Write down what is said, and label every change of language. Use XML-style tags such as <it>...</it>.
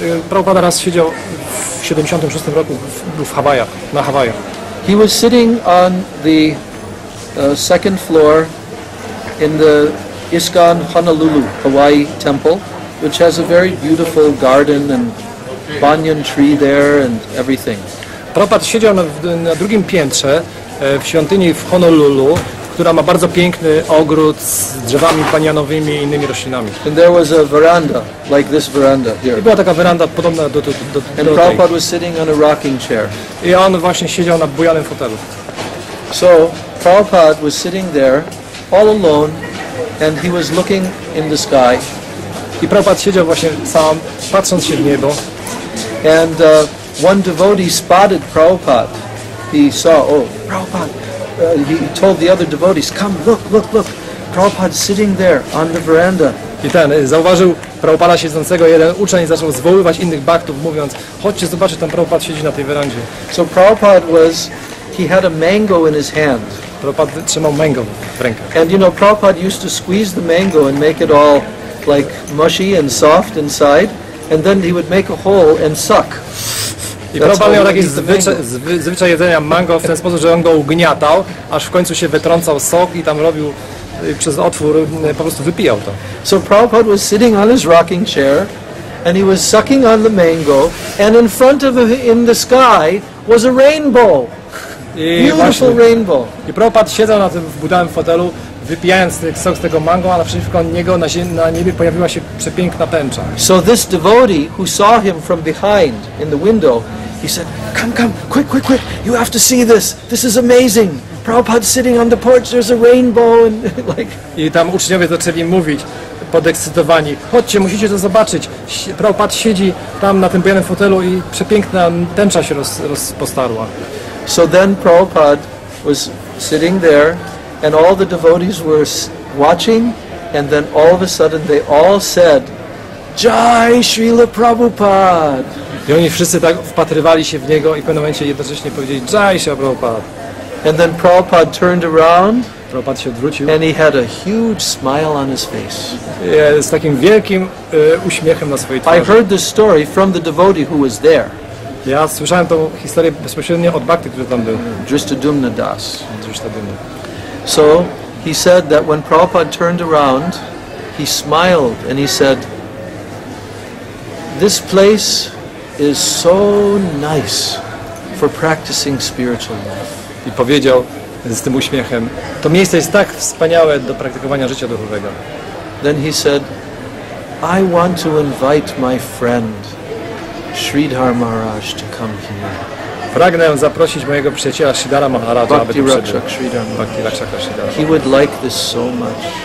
<pl>Prabhupada raz siedział w 76 roku w Hawajach, na Hawajach.</pl> <en>He was sitting on the second floor in the ISKCON Honolulu, Hawaii temple, which has a very beautiful garden and banyan tree there and everything.</en> <pl>Prabhupada siedział na drugim piętrze w świątyni w Honolulu, która ma bardzo piękny ogród z drzewami banianowymi i innymi roślinami.</pl> <en>And there was a veranda, like this veranda here.</en> <pl>I była taka weranda podobna do tej.</pl> <en>And Prabhupada was sitting on a rocking chair.</en> <pl>I on właśnie siedział na bujanym fotelu.</pl> <en>So Prabhupada was sitting there all alone and he was looking in the sky.</en> <pl>I Prabhupada siedział właśnie sam, patrząc się w niebo.</pl> <en>And one devotee spotted Prabhupada. He saw, oh, Prabhupada. He told the other devotees, come, look, Prabhupada's sitting there on the veranda.</en> <pl>I ten zauważył Prabhupada siedzącego, jeden uczeń zaczął zwoływać innych bhaktów, mówiąc, chodźcie zobaczyć, tam Prabhupada siedzi na tej werandzie.</pl> <en>So Prabhupada was, he had a mango in his hand.</en> <pl>Prabhupada trzymał mango w rękach.</pl> <en>And you know, Prabhupada used to squeeze the mango and make it all like mushy and soft inside, and then he would make a hole and suck.</en> <pl>I Prabhupada miał taki zwyczaj jedzenia mango w ten sposób, że on go ugniatał, aż w końcu się wytrącał sok i tam robił przez otwór, po prostu wypijał to.</pl> <en>So Prabhupada was sitting on his rocking chair and he was sucking on the mango and in front of him in the sky was a rainbow. Beautiful rainbow.</en> <pl>I Prabhupada siedział na tym budowanym fotelu, wypijając sok z tego mango, a naprzeciwko niego na niebie pojawiła się przepiękna tęcza.</pl> <en>So this devotee who saw him from behind in the window, he said, come, quick, you have to see this is amazing. Prabhupada sitting on the porch, there's a rainbow. And like.</en> <pl>I tam uczniowie zaczęli mówić, podekscytowani, chodźcie, musicie to zobaczyć. Prabhupada siedzi tam na tym białym fotelu i przepiękna tęcza się rozpostarła.</pl> <en>So then Prabhupada was sitting there, and all the devotees were watching, and then all of a sudden they all said, Jai Srila Prabhupada!</en> <pl>I oni wszyscy tak wpatrywali się w niego i w pewnym momencie jednocześnie powiedzieli, Jai Srila Prabhupada!</pl> <en>And then Prabhupada turned around,</en> <pl>Prabhupada się odwrócił,</pl> <en>and he had a huge smile on his face.</en> <pl>Z takim wielkim uśmiechem na swojej twarzy.</pl> <en>I heard this story from the devotee who was there.</en> <pl>Ja słyszałem tą historię bezpośrednio od bhakty, który tam był.</pl> <en>Drishtadyumna Das.</en> <pl>Drishtadyumna.</pl> <en>So he said that when Prabhupada turned around, he smiled and he said, "This place is so nice for practicing spiritual life."</en> <pl>I powiedział z tym uśmiechem, "To miejsce jest tak wspaniałe do praktykowania życia duchowego."</pl> <en>Then he said, "I want to invite my friend Sridhar Maharaj to come here."</en> <pl>Pragnę zaprosić mojego przyjaciela Sridhara Maharaja, aby tu przyszedł.</pl> <en>Bhakti Rakshaka Sridhara. He would like this so much.</en>